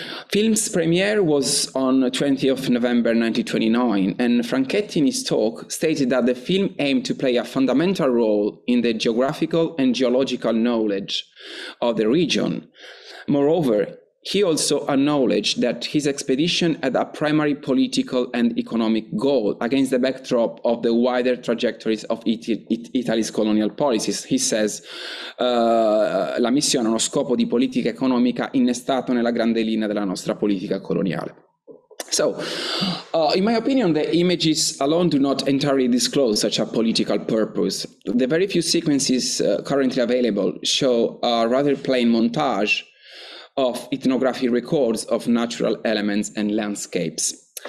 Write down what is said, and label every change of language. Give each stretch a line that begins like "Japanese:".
English: Film's premiere was on 20th November 1929, and Franchetti in his talk stated that the film aimed to play a fundamental role in the geographical and geological knowledge of the region. Moreover, he also acknowledged that his expedition had a primary political and economic goal against the backdrop of the wider trajectories of Italy's colonial policies. He says,
Italian: la missione ha uno scopo di politica economica innestato nella grande linea della nostra politica coloniale.
English: So, in my opinion, the images alone do not entirely disclose such a political purpose. The very few sequences currently available show a rather plain montage of ethnographic records of natural elements and landscapes.